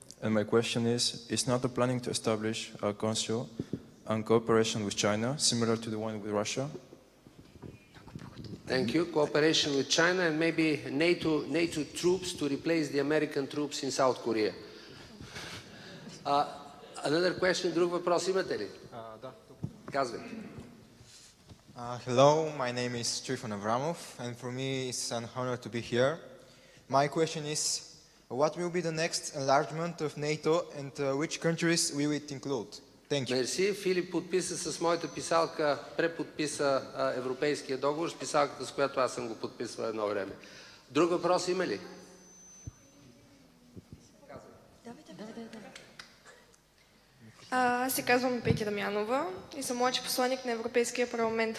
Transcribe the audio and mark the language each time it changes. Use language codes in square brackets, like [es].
[en] And my question is not the planning to establish a council and cooperation with China, similar to the one with Russia? Thank you. Cooperation with China and maybe NATO troops to replace the American troops in South Korea. [bg] Another question, друг въпрос имате ли? Да. Казвайте. [en] Hello, my name is Trifon Avramov and for me it's an honor to be here. My question is, what will be the next enlargement of NATO and which countries will it include? Thank you. [bg] Мерси. Филип подписа с моята писалка, преподписа европейския договор с писалката, с която аз съм го подписвал едно време. Друг въпрос има ли? Аз се казвам Петя Дамянова и съм младши посланник на Европейския парламент.